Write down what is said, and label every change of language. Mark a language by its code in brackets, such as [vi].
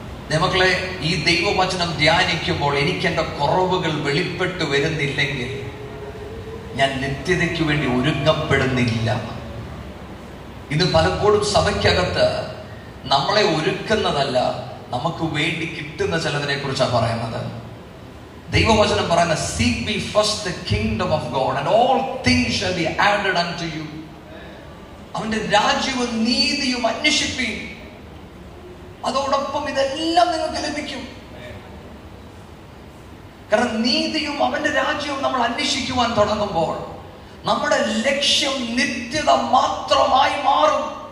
[ml] ദൈവമക്കളെ, ഈ ദൈവവചനം ധ്യാനിക്കുമ്പോൾ എനിക്കെൻ്റെ കുറവുകൾ വെളിപ്പെട്ട് വരുന്നില്ലെങ്കിൽ ഞാൻ നിത്യതയ്ക്ക് വേണ്ടി ഒരുങ്ങപ്പെടുന്നില്ല. ഇത് പലപ്പോഴും സഭയ്ക്കകത്ത് നമ്മളെ ഒരുക്കുന്നതല്ല, നമുക്ക് വേണ്ടി കിട്ടുന്ന ചിലതിനെ കുറിച്ചാണ് പറയുന്നത്. ദൈവവചനം പറയുന്ന [en] Seek me first the kingdom of God and all things shall be added unto you. [ml] അവന്റെ രാജ്യവും നീതിയും അന്വേഷിപ്പീൻ, അതോടൊപ്പം ഇതെല്ലാം നിങ്ങൾക്ക് ലഭിക്കും. കാരണം നീതിയും അവന്റെ രാജ്യവും നമ്മൾ അന്വേഷിക്കുവാൻ തുടങ്ങുമ്പോൾ നമ്മുടെ ലക്ഷ്യം നിത്യത മാത്രമായി മാറും.